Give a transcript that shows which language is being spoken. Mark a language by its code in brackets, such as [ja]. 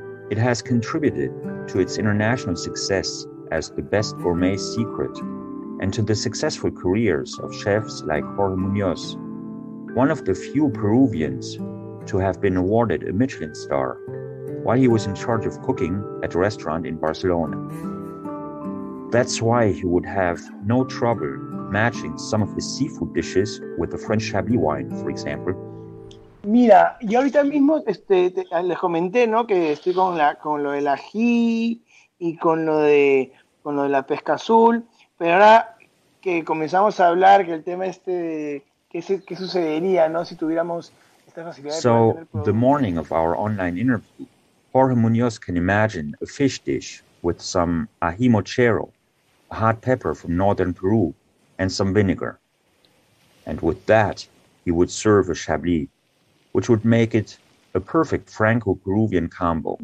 [en] It has contributed to its international success as the best gourmet secret and to the successful careers of chefs like Jorge Muñoz, one of the few Peruvians to have been awarded a Michelin star while he was in charge of cooking at a restaurant in Barcelona. That's why he would have no trouble matching some of his seafood dishes with a French Chablis wine, for example. [es] Mira, yo ahorita mismo les comenté, ¿no?, que estoy con lo del ají y con lo de la pesca azul. Pero ahora que comenzamos a hablar, que el tema este, qué sucedería, ¿no? Si tuviéramos esta facilidad. [en] So, the morning of our online interview, Jorge Muñoz can imagine a fish dish with some ají mochero, a hot pepper from northern Peru, and some vinegar. And with that, he would serve a chablis, which would make it a perfect Franco-Peruvian combo.